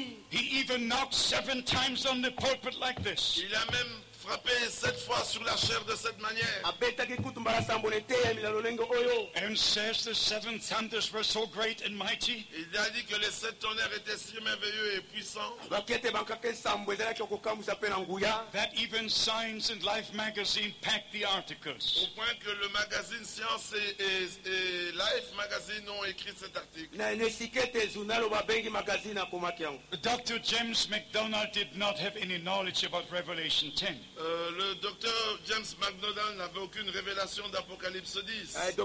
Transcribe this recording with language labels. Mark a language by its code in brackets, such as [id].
[en] He even knocked seven times on the pulpit like this. [fr] Il a même frappé sept fois sur la chair de cette manière. [en] And says the seven thunders were so great and mighty. [fr] Il a dit que les sept tonnerres étaient si merveilleux et puissants. [en] That even Science and Life magazine packed the articles. [fr] Au point que le magazine Science et Life magazine ont écrit cet article. [en] Dr. James McDonald did not have any knowledge about Revelation 10. [fr] Le docteur James McDonald n'avait aucune révélation d'Apocalypse 10.